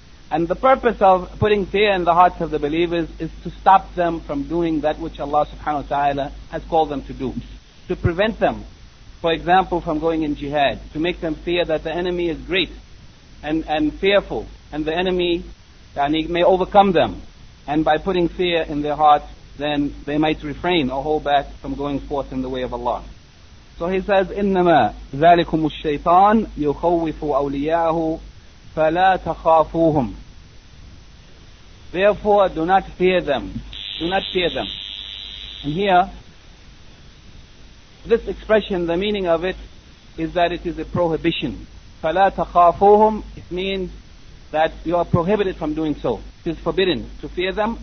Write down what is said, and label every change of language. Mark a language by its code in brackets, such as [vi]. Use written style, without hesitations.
[en] And the purpose of putting fear in the hearts of the believers is to stop them from doing that which Allah subhanahu wa ta'ala has called them to do. To prevent them for example, from going in jihad, to make them fear that the enemy is great and fearful, and the enemy may overcome them. And by putting fear in their hearts, then they might refrain or hold back from going forth in the way of Allah. So he says, [ar] إِنَّمَا ذَلِكُمُ الشَّيْطَانُ يُخَوِّفُ أَوْلِيَاهُ فَلَا تَخَافُوهُمْ. [en] Therefore, do not fear them. Do not fear them. And here, this expression, the meaning of it, is that it is a prohibition. [ar] فَلَا تَخَافُوهُمْ. [en] It means that you are prohibited from doing so. It is forbidden to fear them.